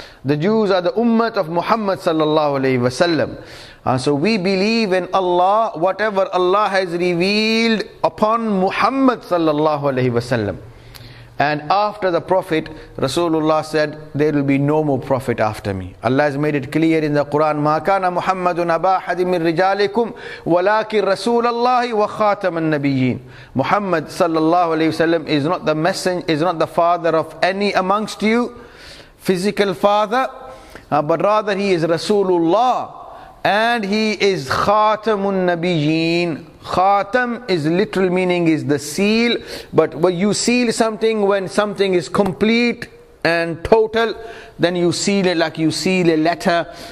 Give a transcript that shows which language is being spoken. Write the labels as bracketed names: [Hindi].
[English] The Jews are the ummah of Muhammad sallallahu alaihi wasallam. So we believe in Allah, whatever Allah has revealed upon Muhammad sallallahu alaihi wasallam. And after the Prophet, Rasulullah said, there will be no more Prophet after me. Allah has made it clear in the Quran, [Arabic] مَا كَانَ مُحَمَّدٌ أَبَا أَحَدٍ مِّن رِجَالِكُمْ وَلَكِنْ رَسُولَ اللَّهِ وَخَاتَمَ النَّبِيِّينَ. [English] Muhammad sallallahu alaihi wasallam is not the messenger, is not the father of any amongst you, physical father, but rather he is Rasulullah. And he is Khatamun Nabiyyin. Khatam is literal meaning is the seal. But when you seal something, when something is complete and total, then you seal it like you seal a letter.